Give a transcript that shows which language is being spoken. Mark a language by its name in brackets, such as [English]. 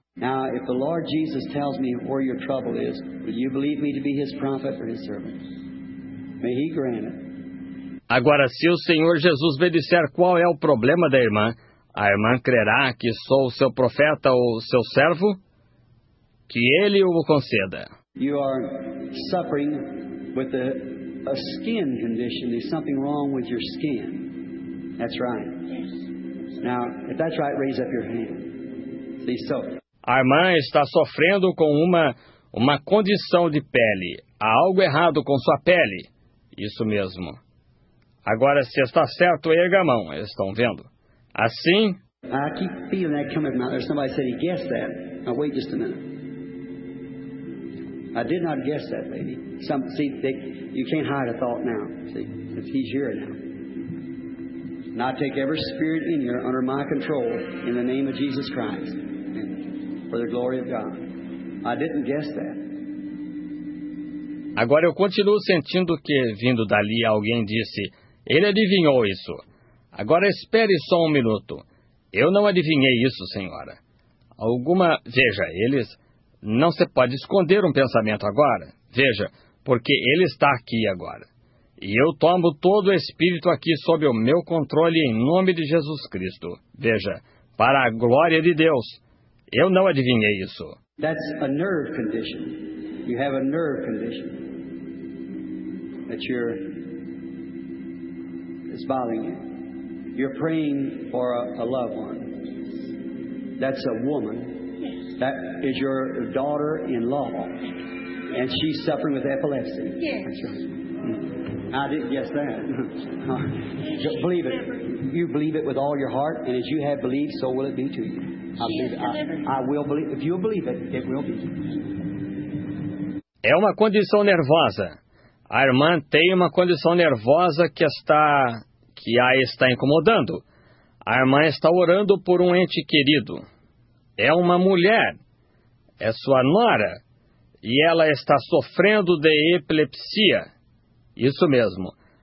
[English] Now, if the Lord Jesus tells me where your trouble is, will you believe me to be his prophet or his servant? May he grant it. [Portuguese] Agora, se o Senhor Jesus me disser qual é o problema da irmã, a irmã crerá que sou o seu profeta ou seu servo? Que ele o conceda. [English] You are suffering with a skin condition. There's something wrong with your skin. That's right. Now, if that's right, raise up your hand. See, so. [Portuguese] A irmã está sofrendo com uma condição de pele. Há algo errado com sua pele. Isso mesmo. Agora, se está certo, erga a mão. Estão vendo? Assim. [English] I keep feeling that coming from my mouth. Somebody said he guessed that. Now, wait just a minute. I did not guess that, lady. You can't hide a thought now. See, he's here now. And I take every spirit in here under my control in the name of Jesus Christ for the glory of God. I didn't guess that. [Portuguese] Agora, eu continuo sentindo que, vindo dali, alguém disse. Ele adivinhou isso. Agora espere só um minuto. Eu não adivinhei isso, senhora. Alguma... Veja, eles... Não se pode esconder um pensamento agora. Veja, porque ele está aqui agora. E eu tomo todo o espírito aqui sob o meu controle em nome de Jesus Cristo. Veja, para a glória de Deus. Eu não adivinhei isso. [English] That's a nerve condition. You have a nerve condition. That you're... It's bothering you. You're praying for a loved one. That's a woman. That is your daughter-in-law. And she's suffering with epilepsy. Yes. That's right. I didn't guess that. Just believe it. You believe it with all your heart, and as you have believed, so will it be to you. I will believe. If you believe it, it will be. [Portuguese] É uma condição nervosa. A irmã tem uma condição nervosa que a está incomodando. A irmã está orando por um ente querido. É uma mulher, é sua nora, e ela está sofrendo de epilepsia. Isso mesmo.